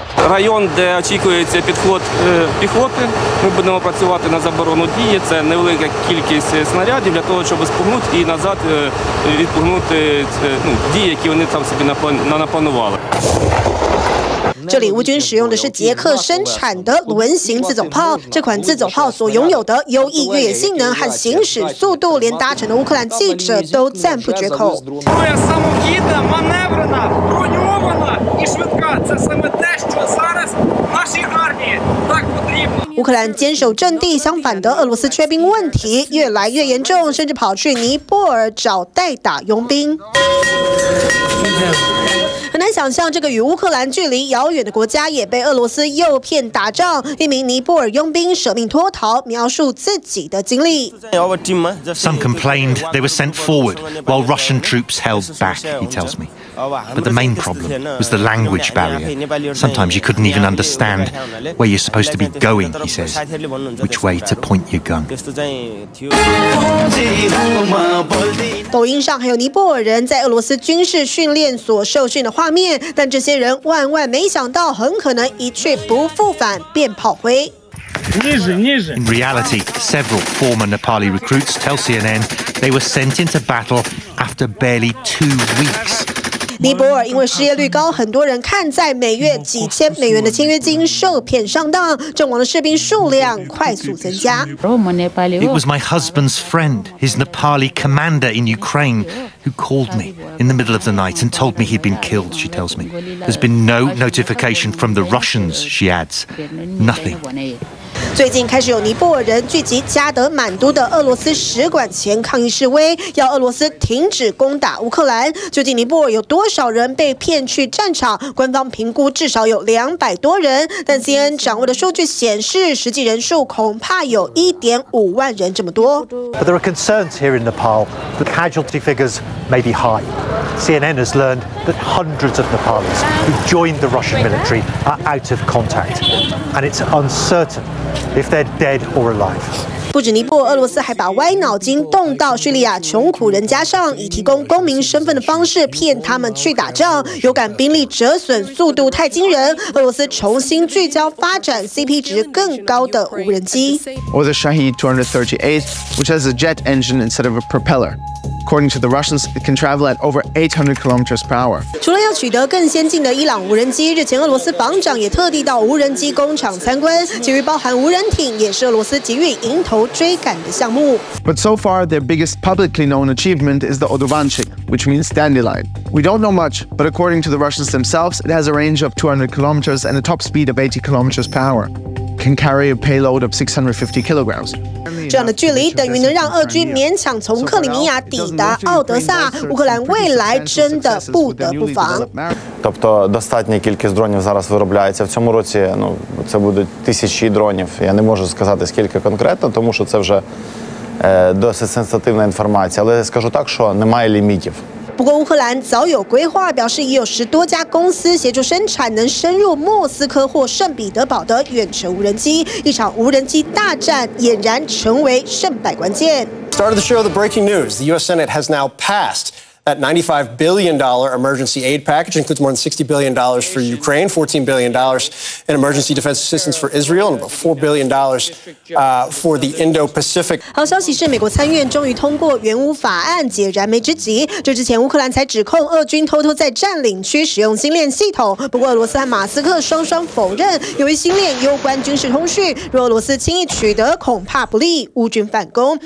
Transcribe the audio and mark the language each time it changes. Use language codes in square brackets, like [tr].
[uk] Район, де очікується підход піхоти, ми будемо працювати на заборону дії. Це невелика кількість снарядів для того, щоб спугнути і назад відпугнути дії, які вони там собі напланували. [zh] 这里乌军使用的是捷克生产的轮型自走炮，这款自走炮所拥有的优异越野性能和行驶速度，连搭乘的乌克兰记者都赞不绝口。乌克兰坚守阵地，相反的俄罗斯缺兵问题越来越严重，甚至跑去尼泊尔找代打佣兵。很难想象，这个与乌克兰距离遥远的国家也被俄罗斯诱骗打仗。一名尼泊尔佣兵舍命脱逃，描述自己的经历。 [en] Some complained they were sent forward while Russian troops held back, he tells me. But the main problem was the language barrier. Sometimes you couldn't even understand where you're supposed to be going, he says, which way to point your gun. [zh] 抖音上还有尼泊尔人在俄罗斯军事训练所受训的画面，但这些人万万没想到，很可能一去不复返，变炮灰。 [en] In reality, several former Nepali recruits tell CNN they were sent into battle after barely 2 weeks. [zh] 尼泊尔因为失业率高，很多人看在每月几千美元的签约金受骗上当，阵亡的士兵数量快速增加。 [en] It was my husband's friend, his Nepali commander in Ukraine. Who called me in the middle of the night and told me he'd been killed, she tells me. There's been no notification from the Russians, she adds. Nothing. [zh] 最近开始有尼泊尔人聚集加德满都的俄罗斯使馆前抗议示威，要俄罗斯停止攻打乌克兰。究竟尼泊尔有多少人被骗去战场？官方评估至少有200多人，但 CNN 掌握的数据显示，实际人数恐怕有1.5万人这么多。 [en] But there are concerns here in Nepal. The casualty figures may be high. CNN has learned that hundreds of Nepalis who joined the Russian military are out of contact, and it's uncertain. If they're dead or alive. [zh] 不止尼泊尔，俄罗斯还把歪脑筋动到叙利亚穷苦人家上，以提供公民身份的方式骗他们去打仗。有感兵力折损速度太惊人，俄罗斯重新聚焦发展 CP 值更高的无人机。 [en] Or the Shahed 238, which has a jet engine instead of a propeller. According to the Russians, it can travel at over 800 kilometers per hour. [zh] 除了要取得更先进的伊朗无人机，日前俄罗斯防长也特地到无人机工厂参观。其余包含无人艇，也是俄罗斯急于迎头追赶的项目。 [en] But so far, their biggest publicly known achievement is the Odovanchik, which means dandelion. We don't know much, but according to the Russians themselves, it has a range of 200 kilometers and a top speed of 80 kilometers per hour. Can carry a payload of 650 kilograms. [zh] 这样的距离等于能让俄军勉强从克里米亚抵达奥德萨，乌克兰未来真的不得不防。 [uk] Тобто достатня кількість дронів зараз виробляється в цьому році. Ну, це будуть тисячі дронів. Я не можу сказати скільки конкретно, тому що це вже досить сенситивна інформація. Але скажу так, що немає лімітів. [zh] 不过乌克兰早有规划，表示已有十多家公司协助生产能深入莫斯科或圣彼得堡的远程无人机。一场无人机大战俨然成为胜败关键。 [en] started the show with the breaking news. The U.S. Senate has now passed that $95 billion emergency aid package. It includes more than $60 billion for Ukraine, $14 billion in emergency defense assistance for Israel, and about $4 billion for the Indo-Pacific. [zh] 好消息是美国参议院终于通过援乌法案，解燃眉之急。这之前乌克兰才指控俄军偷偷在占领区使用星链系统，不过俄罗斯和马斯克双双否认，由于星链攸关军事通讯，若俄罗斯轻易取得，恐怕不利乌军反攻。